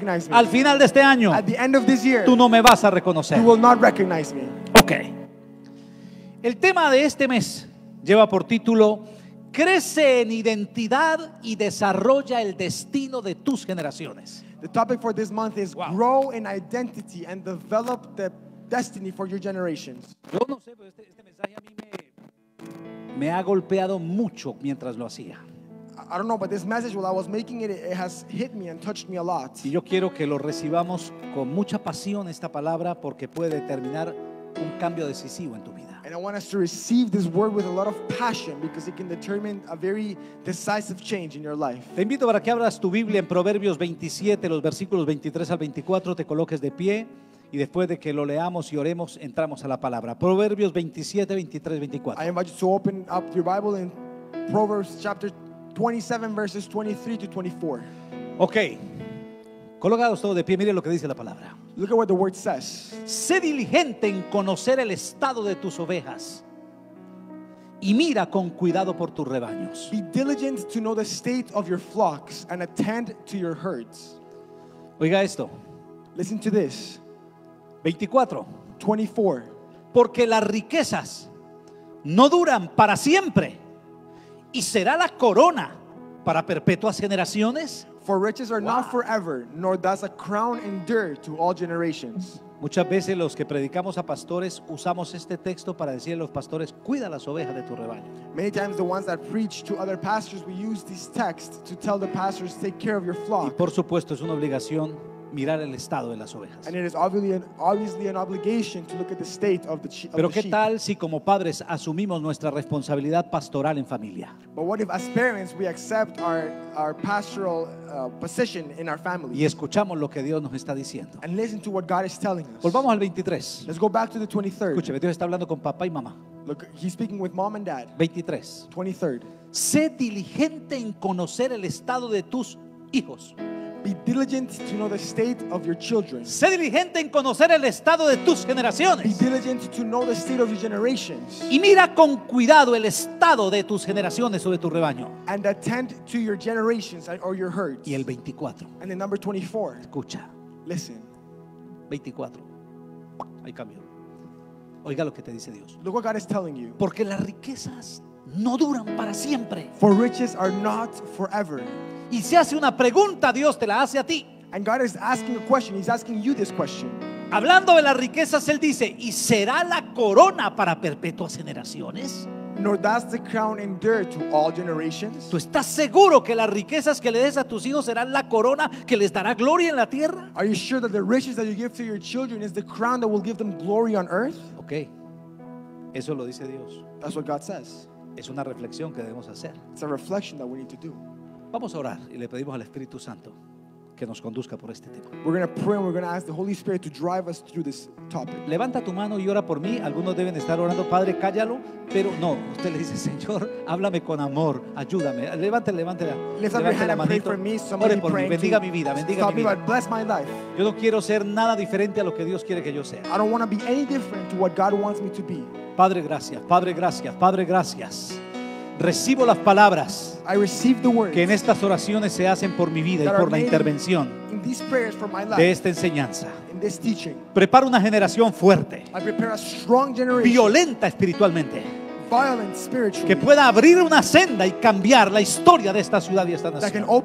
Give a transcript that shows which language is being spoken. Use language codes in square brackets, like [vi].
[es] Al final de este año, tú no me vas a reconocer. Ok. El tema de este mes lleva por título: crece en identidad y desarrolla el destino de tus generaciones. [en] The topic for this month is grow in identity and develop the destiny for your generations. [es] Yo no sé, pero este mensaje a mí me ha golpeado mucho mientras lo hacía. [en] I don't know, but this message, while I was making it, it has hit me and touched me a lot. [es] Y yo quiero que lo recibamos con mucha pasión esta palabra, porque puede determinar un cambio decisivo en tu vida. [en] And I want us to receive this word with a lot of passion, because it can determine a very decisive change in your life. [es] Te invito para que abras tu Biblia en Proverbios 27, los versículos 23 al 24, te coloques de pie, y después de que lo leamos y oremos, entramos a la palabra. Proverbios 27, 23, 24. [en] I invite you to open up your Bible in Proverbs chapter 27, verses 23 to 24. Okay. [es] Colocados todos de pie, mire lo que dice la palabra. [en] Look at what the word says. [es] Sé diligente en conocer el estado de tus ovejas y mira con cuidado por tus rebaños. [en] Be diligent to know the state of your flocks and attend to your herds. [es] Oiga esto. [en] Listen to this. 24. 24. [es] Porque las riquezas no duran para siempre, y será la corona para perpetuas generaciones. [en] For riches are not forever, nor does a crown endure to all generations. [es] Muchas veces los que predicamos a pastores usamos este texto para decirle a los pastores: cuida las ovejas de tu rebaño. [en] Many times the ones that preach to other pastors, we use this text to tell the pastors, take care of your flock. [es] Y por supuesto es una obligación mirar el estado de las ovejas. [en] And it is obviously an obligation to look at the state of the sheep. [es] Pero qué tal si como padres asumimos nuestra responsabilidad pastoral en familia? [en] But what if as parents we accept our pastoral position in our family? [es] Y escuchamos lo que Dios nos está diciendo. [en] And listen to what God is telling us. [es] Volvamos al 23. [en] Let's go back to the 23rd. [es] Escúcheme, Dios está hablando con papá y mamá. [en] Look, he's speaking with mom and dad. [es] 23. [en] 23rd. [es] Sé diligente en conocer el estado de tus hijos. [en] Be diligent to know the state of your children. [es] Sé diligente en conocer el estado de tus generaciones. [en] Be diligent to know the state of your generations. [es] Y mira con cuidado el estado de tus generaciones o de tu rebaño. [en] And attend to your generations or your herds. [es] Y el 24. [en] And the number 24. [es] Escucha. [en] Listen. [es] 24. Hay cambio. Oiga lo que te dice Dios. [en] Look what God is telling you. [es] Porque las riquezas no duran para siempre. [en] For riches are not forever. [es] Y se hace una pregunta, Dios te la hace a ti. [en] And God is asking a question, he's asking you this question. [es] Hablando de las riquezas, él dice, ¿y será la corona para perpetuas generaciones? [en] Nor does the crown endure to all generations. [es] ¿Tú estás seguro que las riquezas que le des a tus hijos serán la corona que les dará gloria en la tierra? [en] Are you sure that the riches that you give to your children is the crown that will give them glory on earth? [es] Okay. Eso lo dice Dios. [en] That's what God says. [es] Es una reflexión que debemos hacer. [en] It's a reflection that we need to do. [es] Vamos a orar y le pedimos al Espíritu Santo que nos conduzca por este tema. [en] We're going to pray and we're going to ask the Holy Spirit to drive us through this topic. [es] Levanta tu mano y ora por mí. Algunos deben estar orando, Padre, cállalo. Pero no, usted le dice, Señor, háblame con amor, ayúdame. Levántela. Ore por mí, bendiga mi vida, bendiga mi vida. [en] Bless my life. [es] Yo no quiero ser nada diferente a lo que Dios quiere que yo sea. [en] I don't want to be any different to what God wants me to be. [es] Padre, gracias. Padre, gracias. Padre, gracias. Recibo las palabras que en estas oraciones se hacen por mi vida y por la intervención de esta enseñanza. Preparo una generación fuerte, violenta espiritualmente, que pueda abrir una senda y cambiar la historia de esta ciudad y esta nación.